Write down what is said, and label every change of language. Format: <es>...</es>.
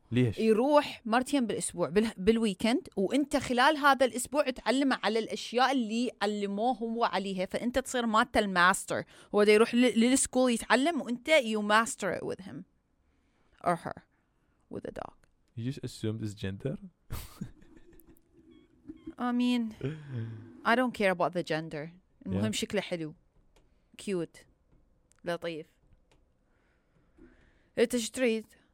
<ar>ليش يروح مرتين بالأسبوع بالويكند وأنت خلال هذا الأسبوع تعلمه على الأشياء اللي علموه هو عليها فأنت تصير مات الماستر هو دا يروح للسكول يتعلم وأنت</ar> <en>you master it with him or her with a dog you just assume this gender I mean I don't care about the gender المهم yeah.</en> <ar>شكله حلو كيوت لطيف أنت إيش تريد</ar>